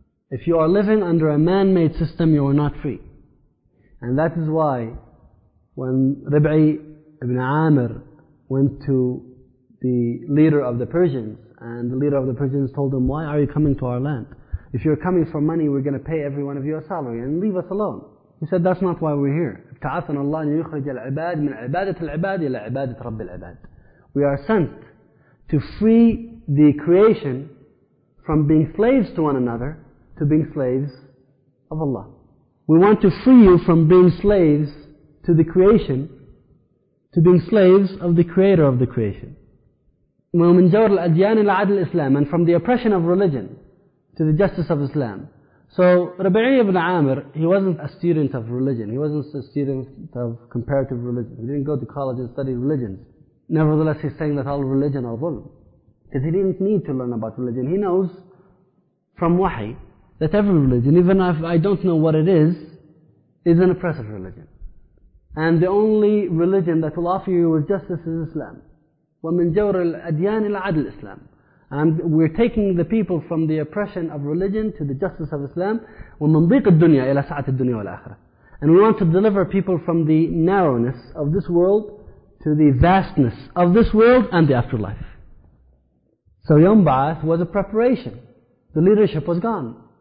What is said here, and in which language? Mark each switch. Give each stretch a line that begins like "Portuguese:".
English: If you are living under a man-made system, you are not free. And that is why when Rib'i ibn Amir went to the leader of the Persians, and the leader of the Persians told him, why are you coming to our land? If you're coming for money, we're going to pay every one of you a salary and leave us alone. He said, that's not why we're here.
Arabic: ابتعثنا الله أن يخرج العباد من عبادة العباد إلى عبادة رب العباد.
English: We are sent to free the creation from being slaves to one another to being slaves of Allah. We want to free you from being slaves to the creation to being slaves of the creator of the creation.
Arabic: ومن جور الأديان إلى عدل الإسلام,
English: and from the oppression of religion to the justice of Islam. So Rabi'i ibn Amir, he wasn't a student of religion. He wasn't a student of comparative religion. He didn't go to college and study religions. Nevertheless, he's saying that all religion are dhulm. Because he didn't need to learn about religion. He knows from wahi that every religion, even if I don't know what it is an oppressive religion. And the only religion that will offer you with justice is Islam.
Arabic: وَمِنْ جَوْرِ الْأَدْيَانِ الْعَدْلِ Islam.
English: And we're taking the people from the oppression of religion to the justice of Islam.
Arabic: وَمِنْ ضِيقِ الدُّنْيَا إِلَى سَعَةِ الدُّنْيَا وَالْآخِرَةِ
English: And we want to deliver people from the narrowness of this world to the vastness of this world and the afterlife. So Yom Ba'ath was a preparation. The leadership was gone.